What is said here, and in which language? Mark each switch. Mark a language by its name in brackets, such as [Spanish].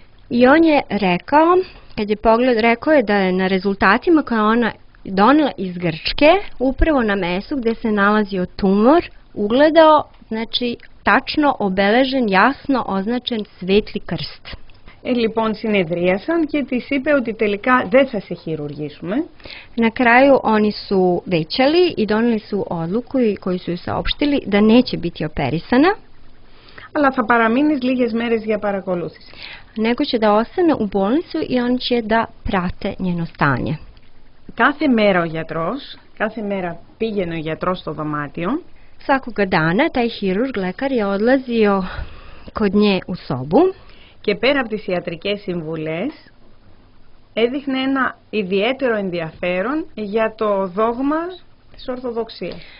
[Serbian] I on je rekao, kad je pogled, rekao je da je na rezultatima koja ona donela iz Grčke, upravo na mesu gde se nalazio tumor, ugledao, znači, tačno obeležen, jasno označen svetli krst. [Greek] Λοιπόν, συνεδρίασαν και της είπε ότι τελικά δεν θα σε χειρουργήσουμε. [Serbian] Na kraju oni su većali i donili su odluku koju su ju saopštili da neće biti operisana. [Greek] Αλλά θα παραμείνεις λίγες μέρες για παρακολούθηση. [Serbian] Neko će da ostane u bolnicu i oni će da prate njeno stanje. [Greek] Κάθε μέρα ο γιατρός Κάθε μέρα πήγαινε ο γιατρός στο δωμάτιο. [Serbian] Svakoga dana taj hirurg lekar je odlazio kod nje u sobu. [Greek] Και πέρα από τις ιατρικές συμβουλές, έδειχνε ένα ιδιαίτερο ενδιαφέρον για το δόγμα της Ορθοδοξίας.